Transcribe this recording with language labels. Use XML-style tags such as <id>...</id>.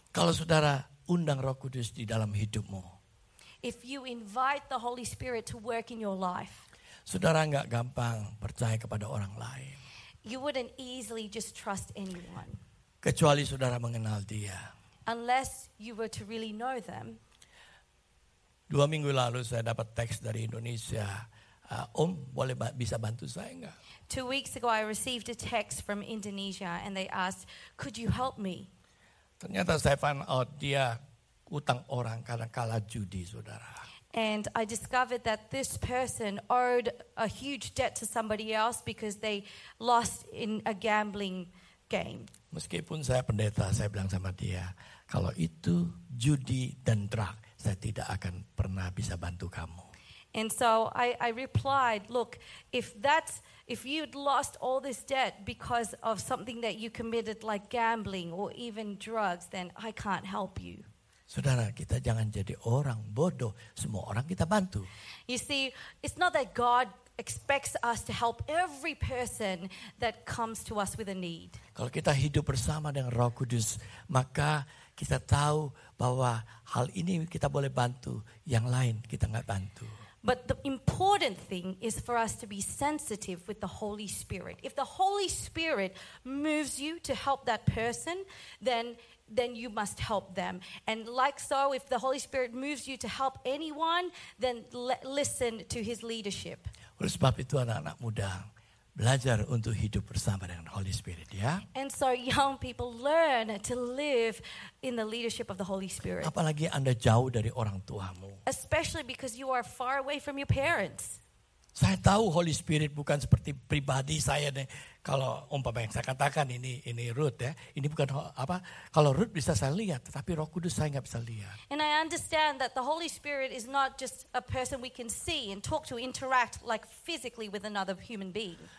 <id>Kalau saudara undang Roh Kudus di dalam hidupmu.</id> <en>If you invite the Holy Spirit to work in your life.</en> <id>Saudara enggak gampang percaya kepada orang lain.</id> <en>You wouldn't easily just trust anyone.</en> <id>Kecuali saudara mengenal dia.</id> <en>Unless you were to really know them.</en> <id>2 minggu lalu saya dapat teks dari Indonesia. Om, boleh bisa bantu saya enggak?</id> <en>2 weeks ago I received a text from Indonesia and they asked, could you help me?</en> <id>Ternyata saya</id> <en>found out</en> <id>dia utang orang karena kalah judi, saudara.</id> <en>And I discovered that this person owed a huge debt to somebody else because they lost in a gambling game.</en> <id>Meskipun saya pendeta, saya bilang sama dia, kalau itu judi dan drug, saya tidak akan pernah bisa bantu kamu.</id> <en>And so I replied, look, if you'd lost all this debt because of something that you committed like gambling or even drugs, then I can't help you.</en> <id>Saudara, kita jangan jadi orang bodoh. Semua orang kita bantu.</id> <en>You see, it's not that God expects us to help every person that comes to us with a need.</en> <id>Kalau kita hidup bersama dengan Roh Kudus, maka kita tahu bahwa hal ini kita boleh bantu, yang lain kita enggak bantu.</id> <en>But the important thing is for us to be sensitive with the Holy Spirit. If the Holy Spirit moves you to help that person, then you must help them. And like so, if the Holy Spirit moves you to help anyone, then listen to his leadership.</en> <id>Oleh sebab itu anak-anak muda, Belajar untuk hidup bersama dengan Holy Spirit, ya.</id> <en>And so young people learn to live in the leadership of the Holy Spirit.</en> <id>Apalagi Anda jauh dari orang tuamu.</id> <en>Especially because you are far away from your parents.</en> <id>Saya tahu Holy Spirit bukan seperti pribadi saya nih. Kalau umpama yang saya katakan ini Ruth ya. Ini bukan apa. Kalau Ruth bisa saya lihat, tetapi Roh Kudus saya enggak bisa lihat.</id> <en>And I understand that the Holy Spirit is not just a person we can see and talk to, interact like physically with another human being.</en>